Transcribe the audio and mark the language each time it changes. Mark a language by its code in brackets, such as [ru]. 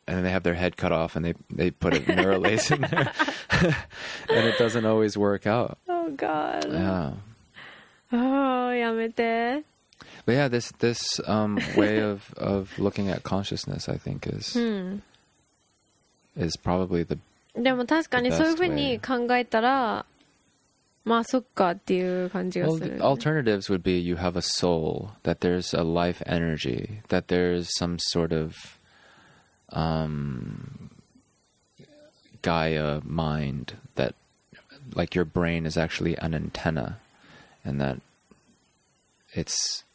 [en] And then they have their head cut off and they put a neural lace in there. And it doesn't always work out. Oh, God. Yeah. Oh, yamete. But yeah, this way of looking at consciousness, I think, is is probably the best way. [ja] でも確かにそういうふうに考えたら、まあそっかっていう感じがする。 [en] Well, alternatives would be you have a soul, that there's a life energy, that there's some sort of Gaia mind, that like your brain is actually an antenna, and that it's...